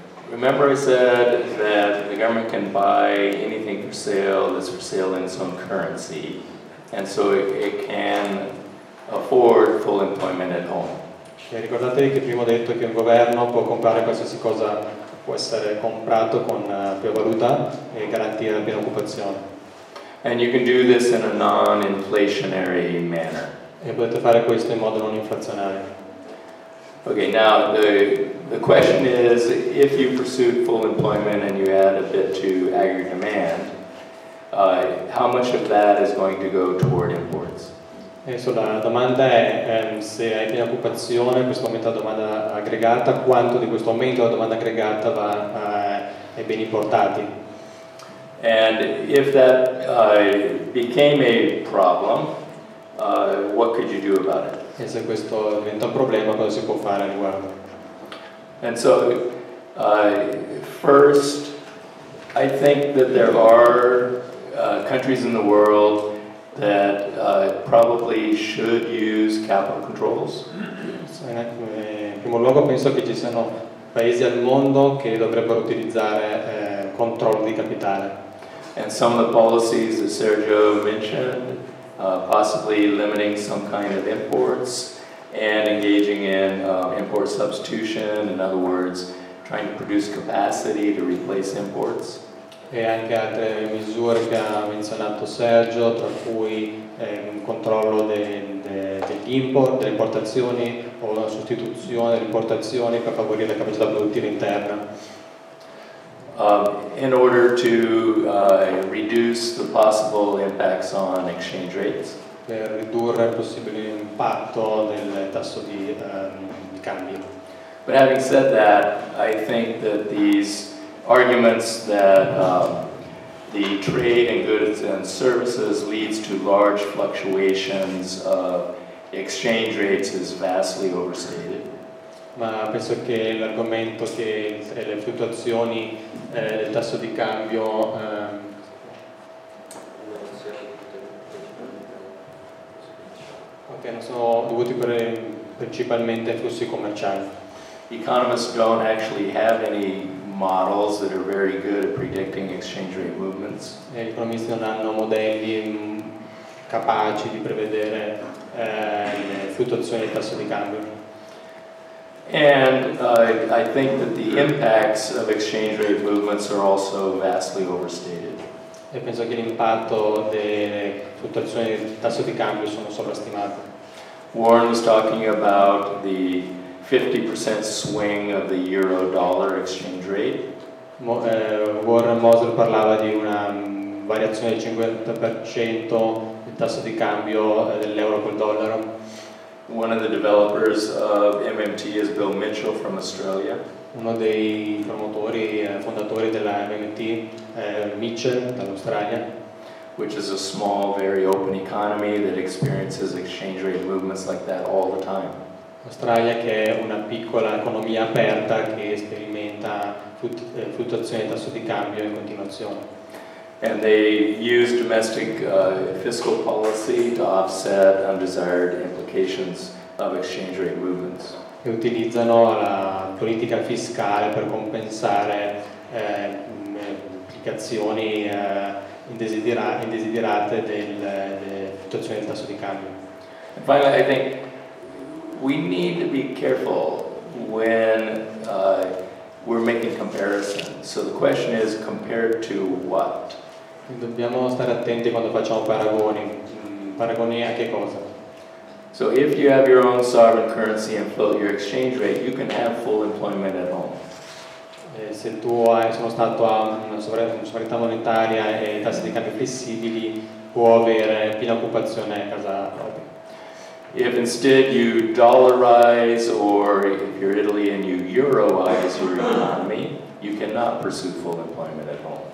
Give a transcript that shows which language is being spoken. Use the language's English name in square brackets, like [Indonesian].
[English] Remember I said that the government can buy anything for sale that's for sale in its own currency, and so it can afford full employment at home. [Italian] E ricordatevi che prima ho detto che un governo può comprare qualsiasi cosa, può essere comprato con più valuta e garantire la piena occupazione. [English] And you can do this in a non-inflationary manner. [Italian] E potete fare questo in modo non inflazionario. [English] Okay, now the question is, if you pursued full employment and you add a bit to aggregate demand, how much of that is going to go toward imports? [Italian] E so la domanda è se hai piena occupazione, questo aumento della domanda aggregata, quanto di questo aumento della domanda aggregata va ai beni importati? [English] And if that became a problem, what could you do about it? [Italian] E se questo diventa un problema, cosa si può fare al riguardo? [English] And so, first, I think that there are countries in the world that probably should use capital controls. [Italian] In primo luogo penso che ci siano paesi al mondo che dovrebbero utilizzare controllo di capitale. [English] And some of the policies that Sergio mentioned, possibly limiting some kind of imports and engaging in import substitution, in other words, trying to produce capacity to replace imports. [Italian] E anche altre misure che ha menzionato Sergio, tra cui un controllo dell'import, delle importazioni o una sostituzione delle importazioni per favorire la capacità produttiva interna. [English] In order to reduce the possible impacts on exchange rates. [Italian] Per ridurre il possibile impatto del tasso di cambio. [English] But having said that, I think that these arguments that the trade in goods and services leads to large fluctuations of exchange rates is vastly overstated. [Italian] Ma penso che l'argomento che le fluttuazioni del tasso di cambio non sono dovuti principalmente ai flussi commerciali. [English] Economists don't actually have any models that are very good at predicting exchange rate movements. [Italian] E gli economisti non hanno modelli capaci di prevedere le fluttuazioni del tasso di cambio. [English] And I think that the impacts of exchange rate movements are also vastly overstated. [Italian] E penso che l'impatto delle fluttuazioni del tasso di cambio sono sovrastimate. [English] Warren was talking about the 50% swing of the euro-dollar exchange rate. [Italian] Warren Mosler parlava di una variazione del 50% del tasso di cambio dell'euro col dollaro. [English] One of the developers of MMT is Bill Mitchell from Australia. [Italian] Uno dei promotori fondatori della MMT è Mitchell dall'Australia. [English] Which is a small, very open economy that experiences exchange rate movements like that all the time. [Italian] Australia che è una piccola economia aperta che sperimenta fluttuazioni di tasso di cambio in continuazione. [English] And they use domestic fiscal policy to offset undesired implications of exchange rate movements. [Italian] E utilizzano la politica fiscale per compensare implicazioni indesiderate delle fluttuazioni del tasso di cambio. [English] And finally, I think we need to be careful when we're making comparisons. So the question is, compared to what? [Italian] Dobbiamo stare attenti quando facciamo paragoni. Paragoni a che cosa? [English] So if you have your own sovereign currency and float your exchange rate, you can have full employment at home. [Italian] Se tu hai sono stato a una sovranità monetaria e tassi di cambio flessibili, può avere piena occupazione a casa propria. [English] If instead you dollarize, or if you're Italy and you euroize your economy, you cannot pursue full employment at home.